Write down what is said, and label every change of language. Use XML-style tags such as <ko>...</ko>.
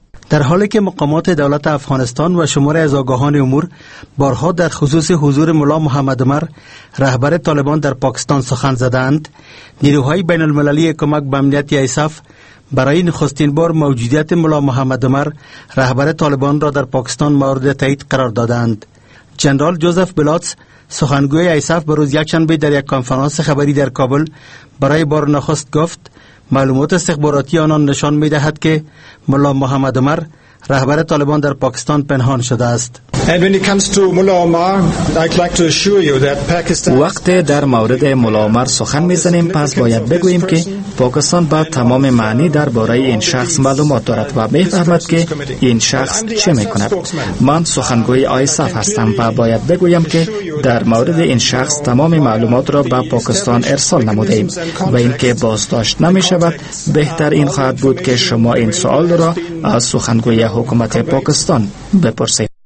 <fa>در حالی که مقامات دولت افغانستان و شمار از آگاهان امور بارها در خصوص حضور ملا محمد عمر رهبر طالبان در پاکستان سخن زدند، نیروهای بین المللی کمک به امنیت ISAF برای نخستین بار موجودیت ملا محمد عمر رهبر طالبان را در پاکستان مورد تایید قرار دادند. جنرال جوزف بلاتس سخنگوی ISAF به روز یکشنبه در یک کنفرانس خبری در کابل برای بار نخست گفت معلومات استخباراتی آنان نشان می‌دهد که ملا محمد عمر رهبر طالبان در پاکستان پنهان شده است.</fa> <en>And when it comes to Mullah Omar, I'd like to assure you that Pakistan.</en> <fa>وقتی در مورد مولا عمر سخن میزنیم، پس باید بگوییم که پاکستان با تمام معنی درباره این شخص معلومات دارد و میفهمد که این شخص چه میکند. من سخنگوی آیساف هستم و باید بگویم که در مورد این شخص تمام معلومات را به پاکستان ارسال نمودیم و اینکه بازداشت نمیشود، بهتر این خواهد بود که شما این سوال را از سخنگوی حکومت پاکستان بپرسید.</fa>